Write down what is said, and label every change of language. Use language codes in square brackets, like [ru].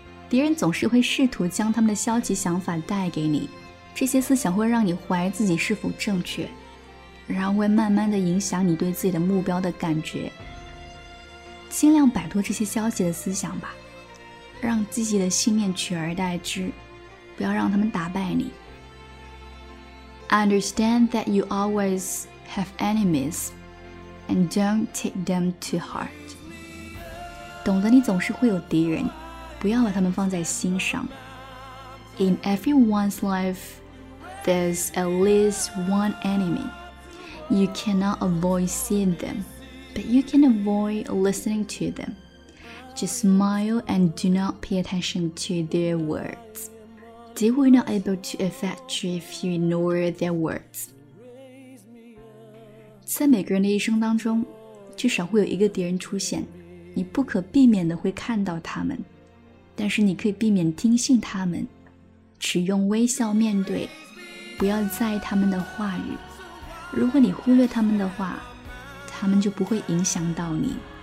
[zh] 敌人总是会试图将他们的消极想法带给你，这些思想会让你怀疑自己是否正确，然后会慢慢地影响你对自己的目标的感觉。尽量摆脱这些消极的思想吧，让积极的信念取而代之，不要让他们打败你。 [en] Understand that you always have enemies and don't take them to heart. [zh] 懂得你总是会有敌人，不要把他们放在心上。 [en] In everyone's life, there's at least one enemy. You cannot avoid seeing them. But you can avoid listening to them. Just smile and do not pay attention to their words. They will not be able to affect you if you ignore their words. [zh] 在每个人的一生当中，至少会有一个敌人出现，你不可避免的会看到他们，但是你可以避免听信他们，只用微笑面对，不要在意他们的话语。如果你忽略他们的话，他们就不会影响到你。